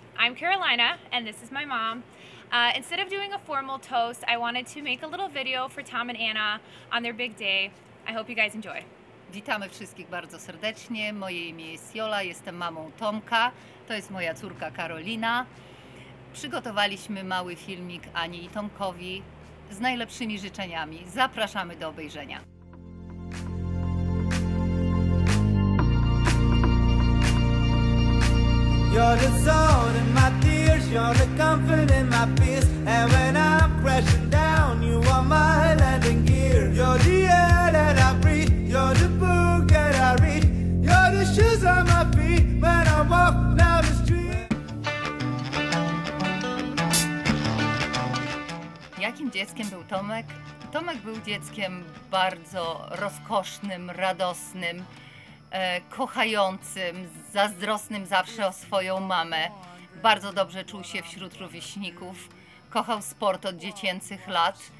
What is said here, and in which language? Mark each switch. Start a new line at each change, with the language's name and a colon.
English: I'm Karolina, and this is my mom. Instead of doing a formal toast, I wanted to make a little video for Tom and Anna on their big day. I hope you guys enjoy.
Polish: Witamy wszystkich bardzo serdecznie. Moje imię jest Jola, jestem mamą Tomka. To jest moja córka Karolina. Przygotowaliśmy mały filmik Ani i Tomkowi z najlepszymi życzeniami. Zapraszamy do obejrzenia.
English: You're the salt in my tears, you're the comfort in my peace. And when I'm crashing down, you are my landing gear. You're the air that I breathe, you're the book that I read. You're the shoes on my feet when I walk down the street.
Polish: Jakim dzieckiem był Tomek? Tomek był dzieckiem bardzo rozkosznym, radosnym, kochającym, zazdrosnym zawsze o swoją mamę. Bardzo dobrze czuł się wśród rówieśników. Kochał sport od dziecięcych lat.